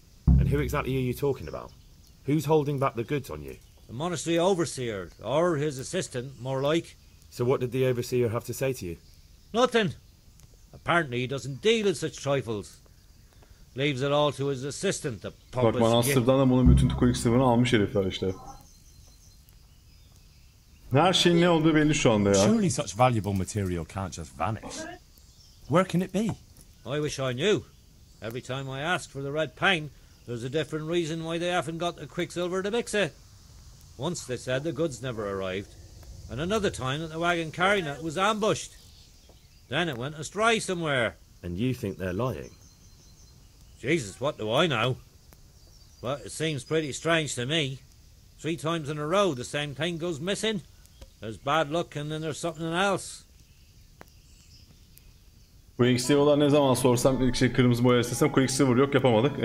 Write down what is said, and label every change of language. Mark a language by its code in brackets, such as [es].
[en] And who exactly are you talking about? Who's holding back the goods on you? The monastery overseer, or his assistant, more like. So what did the overseer have to say to you? Nothing. Apparently he doesn't deal in such trifles. Leaves it all to his assistant, the pompous git. [tr] Bak, manastırdan da bunun bütün quicksilver'ını almış herifler işte. Her şeyin ne olduğu belli şu anda ya. [en] Surely such valuable material can't just vanish. Where can it be? I wish I knew. Every time I ask for the red pine, there's a different reason why they haven't got the quicksilver to mix it. Once they said the goods never arrived, and another time that the wagon carrying it was ambushed. Then it went astray somewhere. And you think they're lying? Jesus, what do I know? But it seems pretty strange to me. 3 times in a row the same thing goes missing. There's bad luck and then there's something else. [tr] Quicksilver'lar ne zaman sorsam ilk şey kırmızı boya istesem quicksilver yok, yapamadık.